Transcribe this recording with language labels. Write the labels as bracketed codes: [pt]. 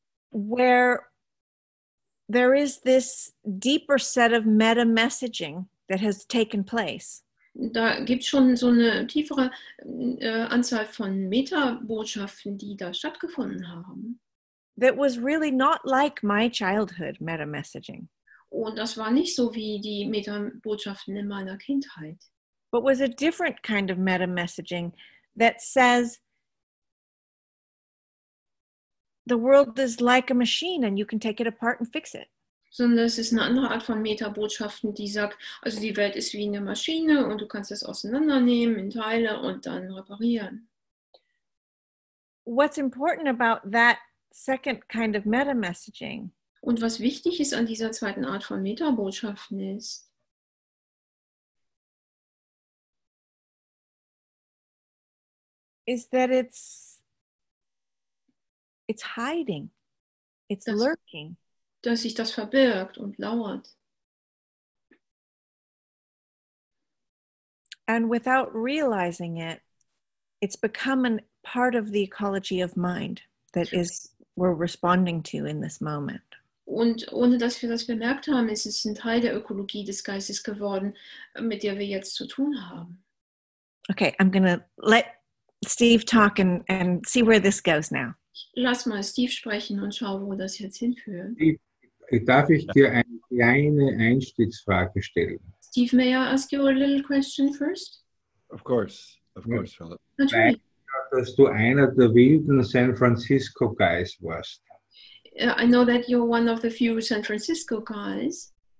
[en] Where there is this deeper set of meta-messaging that has taken place. [de] Da gibt es schon so eine tiefere Anzahl von Meta-Botschaften, die da stattgefunden haben. [en] That was really not like my childhood meta-messaging. [de] Und das war nicht so wie die Meta-Botschaften in meiner Kindheit. [en] But was a different kind of meta-messaging that says, the world is like a machine and you can take it apart and fix it. [de] Sondern es ist eine andere Art von Metabotschaften, die sagt, also die Welt ist wie eine Maschine und du kannst es auseinandernehmen in Teile und dann reparieren. [en] What's important about that second kind of meta-messaging? [de] Und was wichtig ist an dieser zweiten Art von Metabotschaften ist, [en] is that it's hiding, it's [de] dass, [en] lurking. [de] Dass sich das verbirgt und lauert. [en] And without realizing it, it's become a part of the ecology of mind that is we're responding to in this moment. [de] Und ohne dass wir das bemerkt haben, ist es ein Teil der Ökologie des Geistes geworden, mit der wir jetzt zu tun haben. [en] Okay, I'm gonna let Steve talk and see where this goes now. [de] Lass mal Steve sprechen und schau, wo das jetzt hinführt. Darf ich dir eine kleine Einstiegsfrage stellen? [en] Steve, may I ask you a little question first? Of course, ja. Philip. [de] Natürlich. Dass du einer der wilden San Francisco Guys warst. [en] I know that you're one of the few San Francisco Guys.